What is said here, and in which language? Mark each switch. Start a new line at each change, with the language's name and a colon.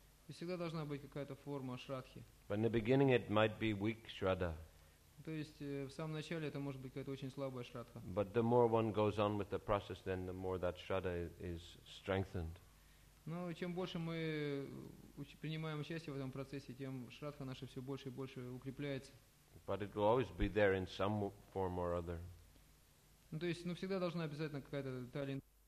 Russian: Всегда должна быть какая-то форма шрадхи.
English: But in the beginning, it might be weak shraddha.
Russian: То есть в самом начале это может быть какая-то очень слабая шрадха.
English: But the more one goes on with the process, then the more that shraddha is strengthened.
Russian: Но чем больше мы принимаем участие в этом процессе, тем шрадха наша все больше и больше укрепляется.
English: But it will always be there in some form or other.
Russian: То есть, ну всегда должна обязательно какая-то талия.